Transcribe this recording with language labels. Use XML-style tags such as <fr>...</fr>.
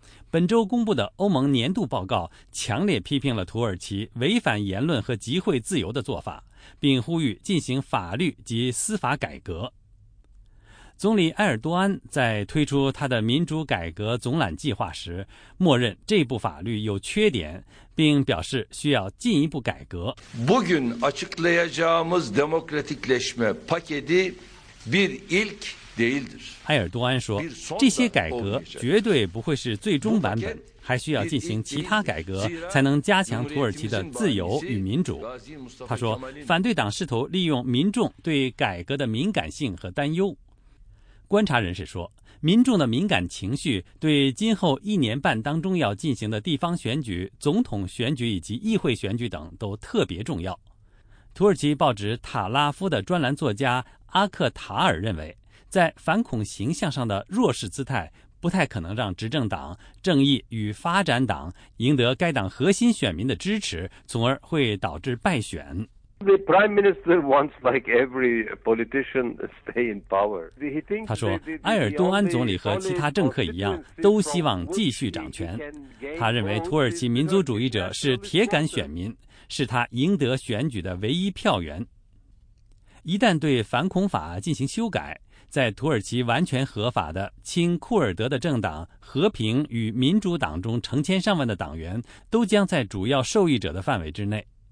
<zh>本周公布的欧盟年度报告强烈批评了土耳其违反言论和集会自由的做法，并呼吁进行法律及司法改革。总理埃尔多安在推出他的民主改革总览计划时，默认这部法律有缺点，并表示需要进一步改革。</zh> <tr>Bugün açıklayacağımız demokratikleşme paketi bir ilk değildir.</tr> <zh>埃尔多安说，这些改革绝对不会是最终版本，还需要进行其他改革，才能加强土耳其的自由与民主。他说，反对党试图利用民众对改革的敏感性和担忧。观察人士说，民众的敏感情绪对今后一年半当中要进行的地方选举、总统选举以及议会选举等都特别重要。土耳其报纸《塔拉夫》的专栏作家阿克塔尔认为，在反恐形象上的弱势姿态不太可能让执政党正义与发展党赢得该党核心选民的支持，从而会导致败选。</zh> <en>The Prime Minister wants, like every politician, stay in power.</en> <zh>他说，埃尔多安总理和其他政客一样，都希望继续掌权。他认为，土耳其民族主义者是铁杆选民，是他赢得选举的唯一票源。一旦对反恐法进行修改，在土耳其完全合法的亲库尔德的政党和平与民主党中成千上万的党员，都将在主要受益者的范围之内。</zh>